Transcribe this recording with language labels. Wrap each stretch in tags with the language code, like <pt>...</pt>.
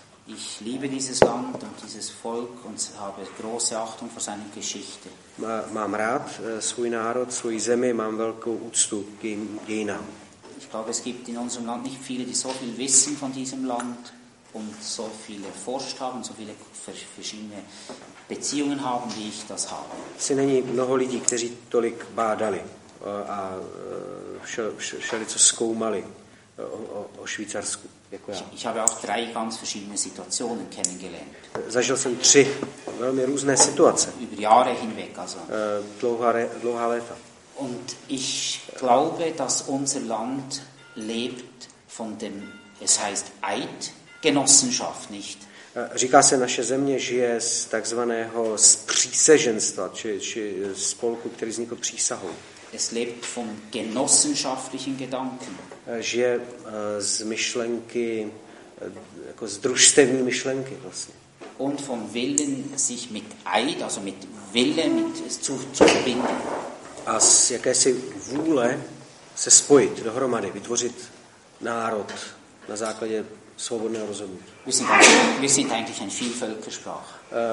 <de>Ich liebe dieses Land und dieses Volk und habe große Achtung vor seiner Geschichte.</de> <cs>Mám rád svůj národ, svůj zemi, mám velkou úctu k dějinám.</cs> <de>Ich glaube, es gibt in unserem Land nicht viele, die so viel wissen von diesem Land und so viele forscht haben, so viele verschiedene Beziehungen haben, wie ich das habe.</de> <cs>Asi není mnoho lidí, kteří tolik bádali a šeli, co zkoumali o Švýcarsku.</cs> <de>Ich habe auch drei ganz verschiedene Situationen kennengelernt.</de> <cs>Zažil jsem tři velmi různé situace.</cs> <de>Über Jahre hinweg, also.</de> <cs>Dlouhá léta.</cs> <de>Und ich glaube, dass unser Land lebt von dem, es heißt Eidgenossenschaft, nicht?</de> <cs>Říká se, naše země žije z takzvaného spříseženstva, či spolku, který vznikl přísahou.</cs> <de>Es lebt von genossenschaftlichen Gedanken.</de> <cs>Žije z myšlenky, jako z družstevní myšlenky vlastně.</cs> <de>Und vom Willen sich mit Eid, also mit Wille, mit zu verbinden.</de> <cs>A z jakési vůle se spojit dohromady, vytvořit národ na základě svobodného rozhodnutí.</cs> <de>Wir sind eigentlich ein Vielvölkersprach.</de>